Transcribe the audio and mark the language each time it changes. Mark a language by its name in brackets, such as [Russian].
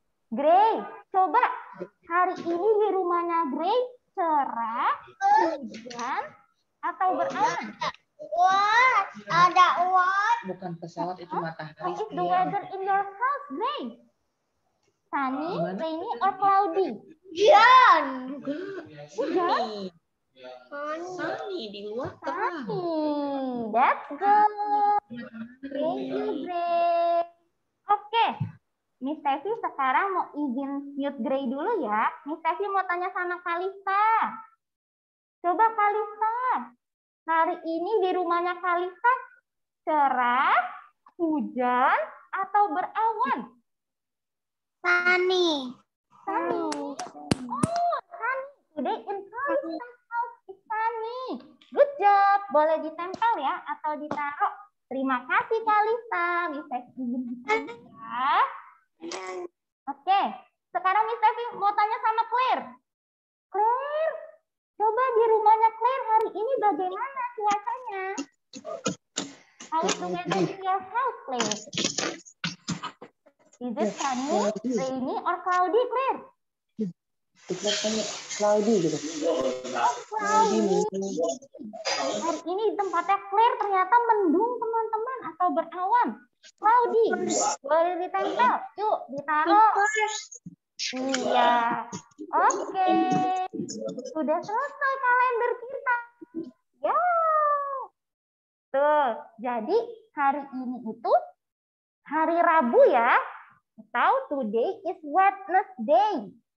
[Indonesian] Gray, coba hari ini di rumahnya Gray cerah, hujan, atau berawan? [English] What? Ada what? [Indonesian] Bukan pesawat, itu matahari. [English] What is the weather in your house, Gray? Sunny, rainy, or cloudy? [Indonesian] Hujan. Hujan? Sunny di luar terang. [English] Sunny. That's good. Thank you, Gray. Oke. [Indonesian] Miss Tessy sekarang mau izin mute Gray dulu ya. Miss Tessy mau tanya sama Kalista. Coba Kalista, hari ini di rumahnya Kalista cerah, hujan, atau berawan? [English] Sunny. Sunny. Oh, sunny. Today in Kalista's house is sunny. Good job. [Indonesian] Boleh ditempel ya atau ditaruh. Terima kasih Kalista. Miss Tessy izin ya. Oke, sekarang Miss Tessy mau tanya sama Claire. Claire, coba di rumahnya Claire hari ini bagaimana cuacanya? [English] How is the weather in your house, Claire? Is it sunny, rainy, or cloudy, Claire? [Indonesian] Kita tanya cloudy gitu. Oh, cloudy. Hari ini tempatnya Claire ternyata mendung, teman-teman, atau berawan. Cloudy, boleh ditempel. Yuk, ditaruh. Iya. Oke. Okay. Sudah selesai kalender kita. Ya. Tuh, jadi hari ini itu hari Rabu ya. [English] Atau today is Wednesday.